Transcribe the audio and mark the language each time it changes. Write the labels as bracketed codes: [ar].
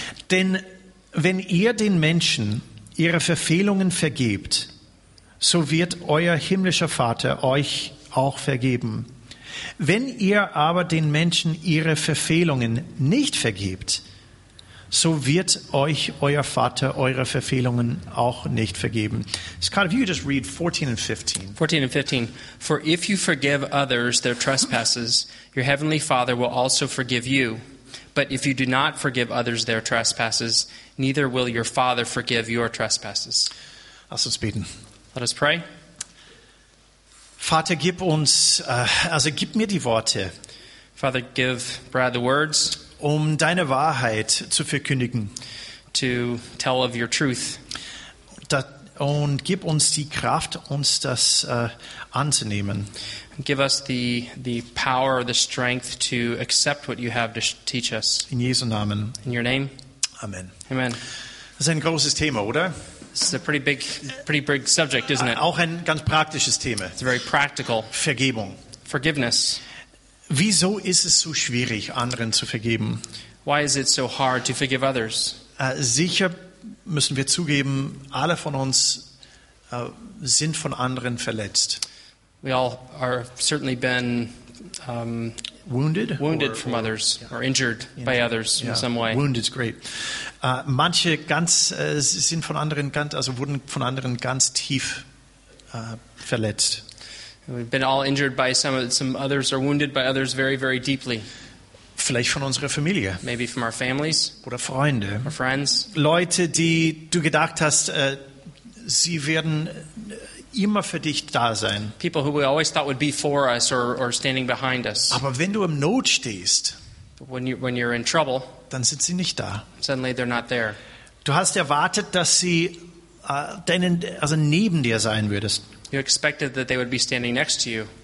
[de] Denn wenn ihr den Menschen ihre Verfehlungen vergebt, so wird euer himmlischer Vater euch auch vergeben. Wenn ihr aber den Menschen ihre Verfehlungen nicht vergebt, so wird euch euer Vater eure Verfehlungen auch nicht vergeben. [en] It's kind of, you just read 14 and 15. 14 and 15. For if you forgive others their trespasses, your heavenly Father will also forgive you. But if you do not forgive others their trespasses, neither will your Father forgive your trespasses. [de] Lass uns beten. [en] Let us pray. [de] Vater, gib uns, also gib mir die Worte. [en] Father, give Brad the words. [de] Deine Wahrheit zu verkündigen. [en] To tell of your truth. [de] Und gib uns die Kraft, uns das anzunehmen. [en] Give us the power, the strength to accept what you have to teach us. [de] In Jesu Namen. [en] In your name. [de] Amen. [en] Amen. [de] Das ist ein großes Thema, oder? [en] This is a pretty big subject, isn't it? [de] Auch ein ganz praktisches Thema. [en] It's very practical. [de] Vergebung. [en] Forgiveness. [de] Wieso ist es so schwierig, anderen zu vergeben? [en] Why is it so hard to forgive others? [de] Sicher müssen wir zugeben, alle von uns sind von anderen verletzt. [en] We all are certainly been wounded from others, yeah, or injured by others, yeah, in some way. Wounded is great. [de] Manche ganz sind von anderen ganz, also wurden von anderen ganz tief verletzt. [en] We've been all injured by some others, or wounded by others very, very deeply. [de] Vielleicht von unserer Familie. [en] Maybe from our families. [de] Oder Freunde. [en] Or friends. [de] Leute, die du gedacht hast, sie werden immer für dich da sein. [en] People who we always thought would be for us or standing behind us. [de] Aber wenn du im Not stehst, [en] when you're in trouble, [de] dann sind sie nicht da. [en] Suddenly they're not there. [de] Du hast erwartet, dass sie deinen, also neben dir sein würdest. [en] You expected that they would be standing next to you.